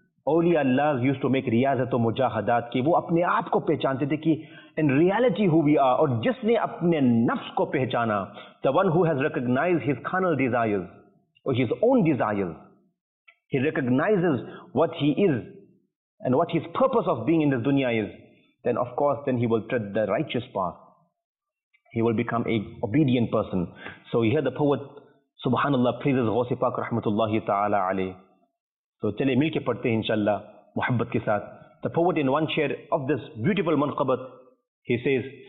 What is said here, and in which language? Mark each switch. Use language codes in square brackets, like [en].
[en] Awliya Allah used to make [ur] riyazat o mujahadat ki wo apne aap ko pehchante the ki [en] in reality who we are. [ur] Aur jisne apne nafs ko pehchana, [en] the one who has recognized his carnal desires or his own desires, he recognizes what he is and what his purpose of being in this dunya is, then of course then he will tread the righteous path, he will become a obedient person. So here the poet subhanallah praises ghawth-e pak rahmatullahi ta'ala alayh. [ur] تو چلے مل کے پڑھتے ہیں انشاءاللہ محبت کے ساتھ. [en] The poet in one share of this beautiful منقبت, he says,